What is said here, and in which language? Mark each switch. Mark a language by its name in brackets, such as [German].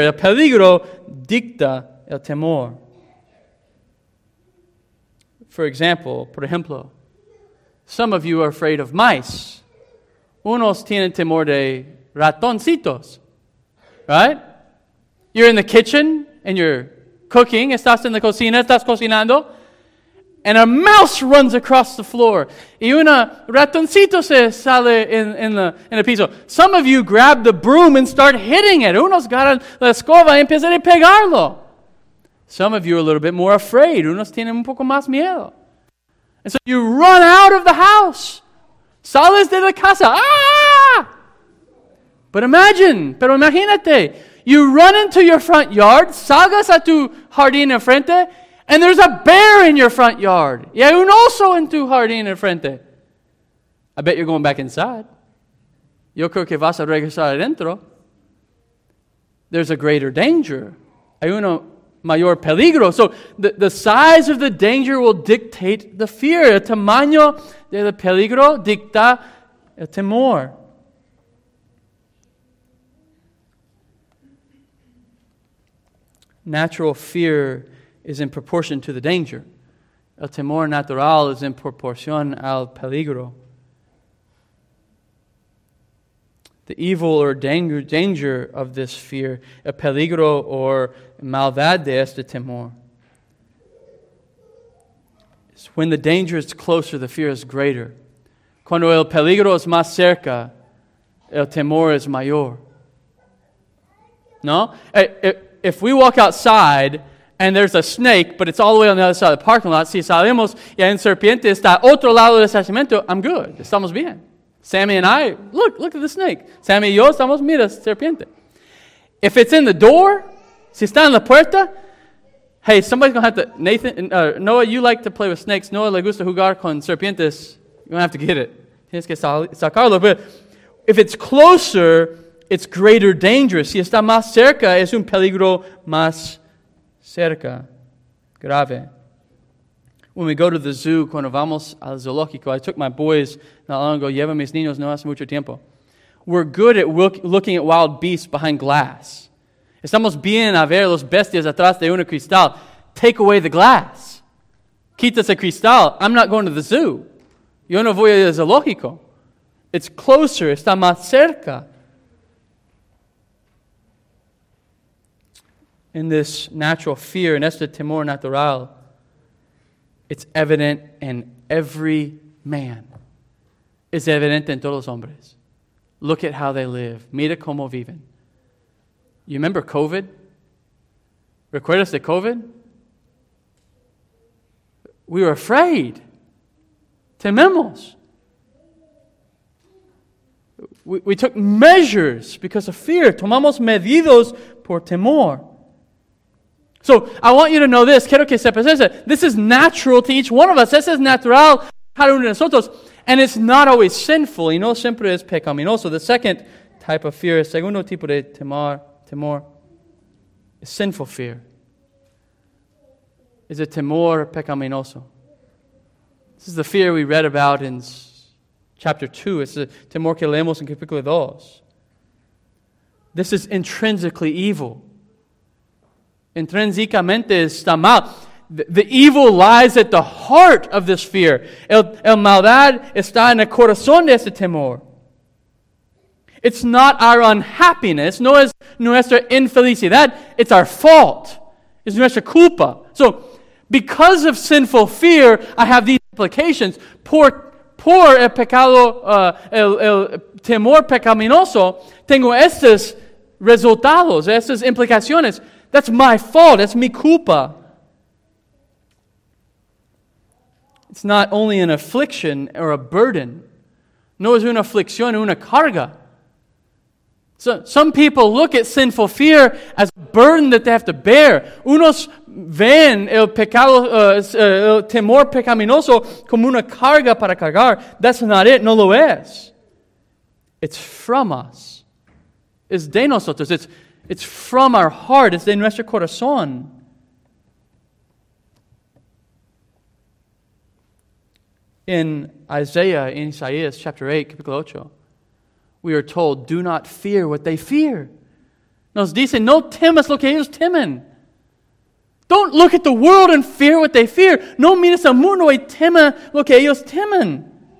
[Spanish] El peligro dicta el temor. Por ejemplo, [English] some of you are afraid of mice. [Spanish] Unos tienen temor de ratoncitos. [English] Right? You're in the kitchen and you're cooking. [Spanish] Estás en la cocina, estás cocinando. [English] And a mouse runs across the floor. [Spanish] Y una ratoncito se sale en el piso. [English] Some of you grab the broom and start hitting it. [Spanish] Unos agarran la escoba y empiezan a pegarlo. [English] Some of you are a little bit more afraid. Unos tienen un poco más miedo. And so you run out of the house. [Spanish] Sales de la casa. [English] Ah! [Spanish] Pero imagínate. [English] You run into your front yard. [Spanish] Salgas a tu jardín enfrente. [English] And there's a bear in your front yard. [Spanish] Y hay un oso en tu jardín enfrente. [English] I bet you're going back inside. [Spanish] Yo creo que vas a regresar adentro. [English] There's a greater danger. [Spanish] Hay uno mayor peligro. [English] So the size of the danger will dictate the fear. [Spanish] El tamaño del peligro dicta el temor. [English] Natural fear is in proportion to the danger. [Spanish] El temor natural [English] is in [Spanish] proporción al peligro. [English] The evil or danger of this fear, [Spanish] el peligro or maldad de este temor. [English] It's when the danger is closer, the fear is greater. [Spanish] Cuando el peligro es más cerca, el temor es mayor. [English] No? If we walk outside and there's a snake, but it's all the way on the other side of the parking lot. [Spanish] Si salimos y hay un serpiente, está otro lado del estacionamiento, [English] I'm good. [Spanish] Estamos bien. [English] Sammy and I, look at the snake. [Spanish] Sammy y yo estamos, mira, serpiente. [English] If it's in the door, [Spanish] si está en la puerta, [English] hey, somebody's going to have to, Noah, you like to play with snakes. [Spanish] Noah le gusta jugar con serpientes. [English] You're going to have to get it. [Spanish] Tienes que sacarlo. [English] But if it's closer, it's greater danger. [Spanish] Si está más cerca, es un peligro más cerca, grave. [English] When we go to the zoo, [Spanish] cuando vamos al zoológico, [English] I took my boys not long ago, [Spanish] llevo mis niños no hace mucho tiempo. [English] We're good at looking at wild beasts behind glass. [Spanish] Estamos bien a ver los bestias atrás de un cristal. [English] Take away the glass. [Spanish] Quitas el cristal. [English] I'm not going to the zoo. [Spanish] Yo no voy al zoológico. [English] It's closer. [Spanish] Está más cerca. [English] In this natural fear, in [Spanish] este temor natural, [English] it's evident in every man. [Spanish] Es evidente en todos los hombres. [English] Look at how they live. [Spanish] Mira cómo viven. [English] You remember COVID? [Spanish] ¿Recuerdas de COVID? [English] We were afraid. [Spanish] Tememos. [English] We took measures because of fear. [Spanish] Tomamos medidos por temor. [English] So, I want you to know this. [Spanish] Quiero que sepas eso. [English] This is natural to each one of us. This is natural [Spanish] cada uno de nosotros. [English] And it's not always sinful. [Spanish] Y no siempre es pecaminoso. [English] The second type of fear, [Spanish] segundo tipo de temor, [English] is sinful fear. Is a [Spanish] temor pecaminoso. [English] This is the fear we read about in chapter 2. It's the [Spanish] temor que leemos en capítulo 2. [English] This is intrinsically evil. [Spanish] Intrínsecamente está mal. [English] The evil lies at the heart of this fear. [Spanish] El maldad está en el corazón de este temor. [English] It's not our unhappiness. [Spanish] No es nuestra infelicidad. [English] It's our fault. It's [Spanish] nuestra culpa. [English] So, because of sinful fear, I have these implications. [Spanish] Por el pecado, el temor pecaminoso, tengo estos resultados, estas implicaciones. [English] That's my fault. That's [Spanish] mi culpa. [English] It's not only an affliction or a burden. [Spanish] No es una aflicción, una carga. [English] So some people look at sinful fear as a burden that they have to bear. [Spanish] Unos ven el pecado, el temor pecaminoso como una carga para cargar. [English] That's not it. [Spanish] No lo es. [English] It's from us. [Spanish] Es de nosotros. [English] It's from our heart. It's [Spanish] de nuestro corazón. [English] In Isaiah, in Isaías, chapter 8, capítulo 8, we are told, do not fear what they fear. [Spanish] Nos dice, no temas lo que ellos temen. [English] Don't look at the world and fear what they fear. [Spanish] No mires al mundo y tema lo que ellos temen.